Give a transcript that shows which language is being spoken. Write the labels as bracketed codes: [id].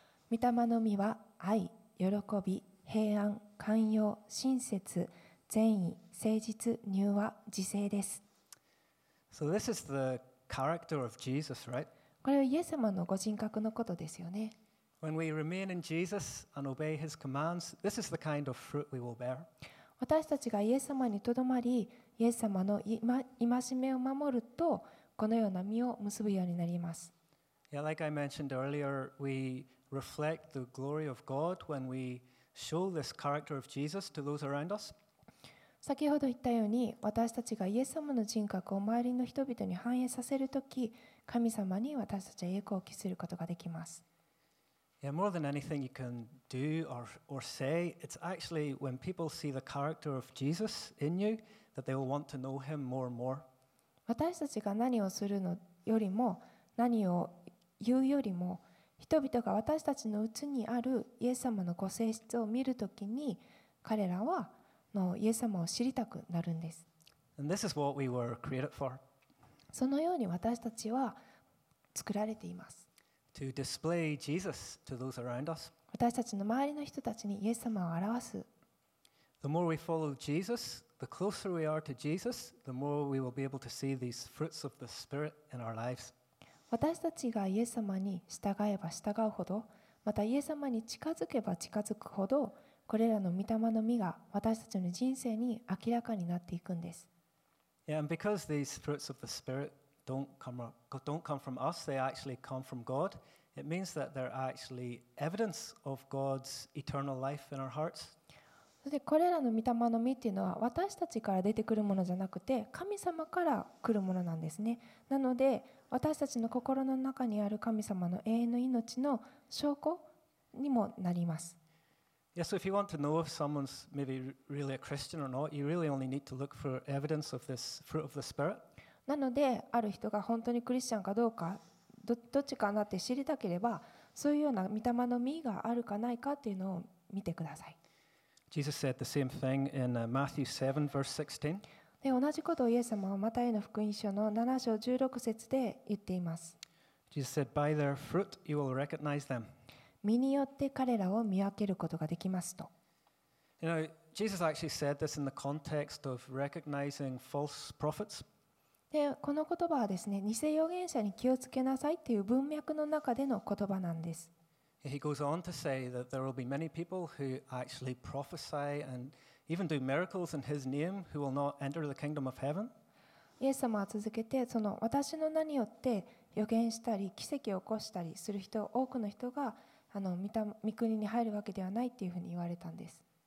[ja] 御霊の実は愛、喜び、平安、寛容、親切、善意、誠実、柔和、自制です。 [en] So this is the character of Jesus, right? [ja] これはイエス様のご人格のことですよね。 [en] When we remain in Jesus and obey His commands, this is the kind of fruit we will bear. [ja] 私たちがイエス様にとどまり、イエス様の戒めを守るとこのような実を結ぶようになります。 [en] Yeah, like I mentioned earlier, we reflect the glory of God when we show this character of Jesus to those around us. [ja] 先ほど言ったように私たちがイエス様の人格を周りの人々に反映させるとき神様に私たちは栄光を期することができます。 [en] Yeah, more than anything you can do or say, it's actually when people see the character of Jesus in youThat they will want to know him more and more. [ja] 私たちが何をするのよりも何を言うよりも人々が私たちのうちにあるイエス様のご性質を見るときに彼らはのイエス様を知りたくなるんです。 [en] And this is what we were created for. [ja] そのように私たちは作られています。 [en] To display Jesus to those around us. [ja] 私たちの周りの人たちにイエス様を表す。 [en] The more we follow Jesus. The closer we are to Jesus, the more we will be able to see these fruits of the Spirit in our lives. [ja] 私たちがイエス様に従えば従うほど、またイエス様に近づけば近づくほど、これらの御霊の実が私たちの人生に明らかになっていくんです。 [en] Yeah, and because these fruits of the Spirit don't come from us, they actually come from God. It means that they're actually evidence of God's eternal life in our hearts. [ja] でこれらの御霊の実というのは私たちから出てくるものじゃなくて神様から来るものなんですね。なので私たちの心の中にある神様の永遠の命の証拠にもなります。 [en] Yeah, so if you want to know if someone's maybe really a Christian or not, you really only need to look for evidence of this fruit of the Spirit. [ja] なのである人が本当にクリスチャンかどうか どっちかなって知りたければそういうような御霊の実があるかないかというのを見てください。 [en] Jesus said the same thing in Matthew 7, verse 16. [ja] で同じことをイエス様はマタイの福音書の7章16節で言っています。 [en] Jesus said, "By their fruit you will recognize them." [ja] 実によって彼らを見分けることができますと。 [en] You know, Jesus actually said this in the context of recognizing false prophets. [ja] でこの言葉はですね、偽預言者に気をつけなさいっていう文脈の中での言葉なんです。 [en] He goes on to say that there will be many people who actually prophesy and even do miracles in his name who will not enter the kingdom of heaven. [ja] イエス様は続けてその私の名によって預言したり奇跡を起こしたりする人多くの人が御国に入るわけではないというふうに言われたんです。